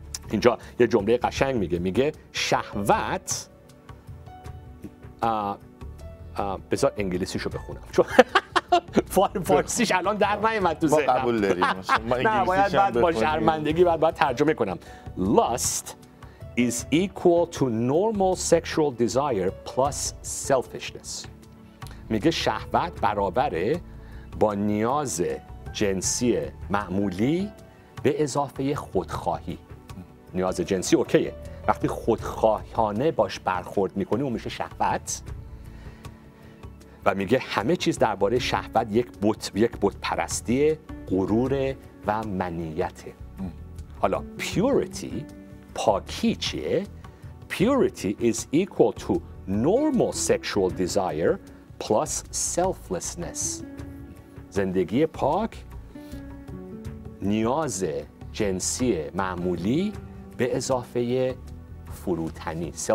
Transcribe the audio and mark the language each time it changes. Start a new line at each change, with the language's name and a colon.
Persian: اینجا یه جمله قشنگ میگه، میگه شهوت، بذار انگلیسیشو بخونم چون فارسیش الان در نیومد تو ذهنم، ما قبول داریم، نه باید بعد با شرمندگی باید ترجمه کنم.
English: Lust is equal to normal sexual desire plus selfishness.
Persian: میگه شهوت برابره با نیاز جنسی معمولی به اضافه خودخواهی. نیاز جنسی اوکیه، وقتی خودخواهانه باش برخورد میکنی اون میشه شهوت. و میگه همه چیز درباره شهوت یک بت پرستی، غرور و منیت. حالا پیوریتی، پاکی چیه؟ پیوریتی
English: is equal to normal sexual desire plus selflessness.
Persian: زندگی پاک، نیاز جنسی معمولی به اضافه فروتنی.